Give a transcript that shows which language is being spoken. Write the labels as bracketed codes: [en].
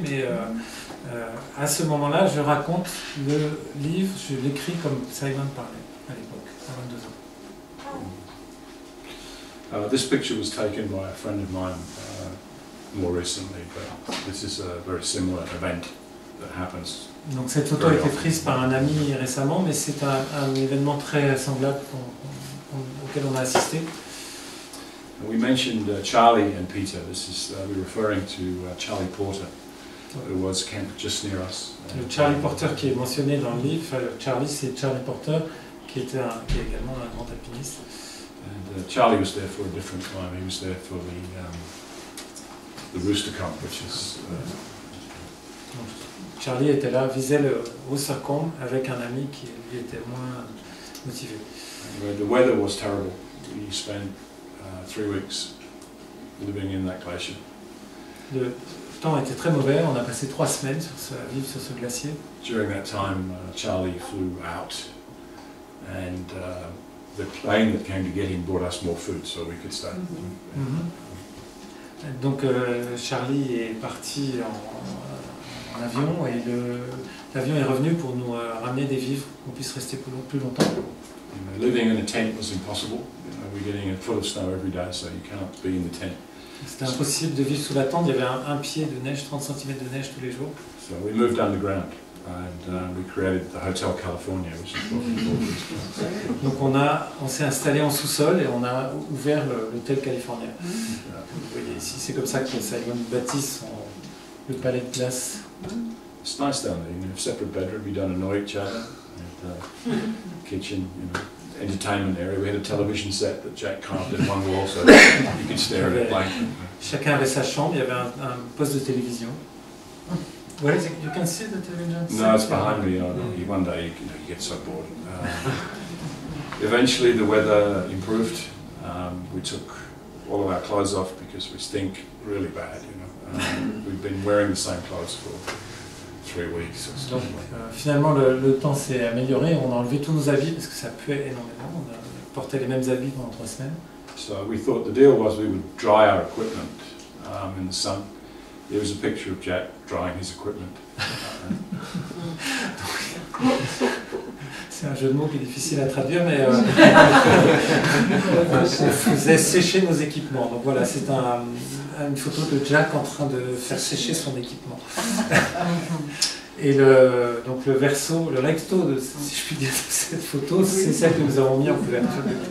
[fr] Mais à ce moment-là, je raconte le livre, je l'écris comme Simon parlait à l'époque. [en] This picture was taken by a friend of mine more recently, but this is a very similar event that happens. [fr] Donc cette photo a été prise par un ami récemment, mais c'est un événement très semblable auquel on a assisté. [en] We mentioned Charlie and Peter. This is we're referring to Charlie Porter, who was camped just near us. [fr] Le Charlie Porter qui est mentionné dans le livre. Charlie, c'est Charlie Porter. Qui est également un grand alpiniste. [en] And Charlie was there for a different climb. He was there for the rooster camp, which is. [fr] Charlie était là, visait le rooster camp avec un ami qui lui était moins motivé. [en] Anyway, the weather was terrible. We spent 3 weeks living in that glacier. [fr] Le temps était très mauvais. On a passé 3 semaines à vivre sur ce glacier. [en] During that time, Charlie flew out. And the plane that came to get him brought us more food, so we could start. Mm-hmm. Mm-hmm. [fr] Donc Charlie est parti en avion, et l'avion est revenu pour nous ramener des vivres, qu'on puisse rester plus longtemps. [en] You know, living in a tent was impossible. You know, we're getting a foot of snow every day, so you cannot be in the tent. [fr] C'était impossible de vivre sous la tente. Il y avait un pied de neige, 30 cm de neige tous les jours. [en] So we moved underground. And we created the Hotel California, which is called. [fr] Donc on s'est installé en sous-sol et on a ouvert l'Hôtel California. Mm-hmm. Vous voyez ici, c'est comme ça que Simon bâtit le palais de glace. [en] It's nice down there. You know, separate bedroom. We don't annoy each other. And, kitchen, you know, entertainment area. We had a television set that Jack carved in one wall, so you could stare at it blank. [fr] Chacun avait sa chambre. Il y avait un poste de télévision. [en] Where is it? You can see the television. No, it's behind me. One day, you get so bored. eventually, the weather improved. We took all of our clothes off because we stink really bad. we've been wearing the same clothes for 3 weeks. Or so. [fr] Finalement, le temps s'est amélioré. On a enlevé tous nos habits parce que ça puait énormément. On a porté les mêmes habits pendant 3 semaines. [en] So we thought the deal was we would dry our equipment in the sun. There was a picture of Jack drying his equipment. [fr] C'est un jeu de mots qui est difficile à traduire, mais on faisait sécher nos équipements. Donc voilà, c'est une photo de Jack en train de faire sécher son équipement. Et le verso, le recto, si je puis dire, de cette photo, c'est celle que nous avons mis en couverture.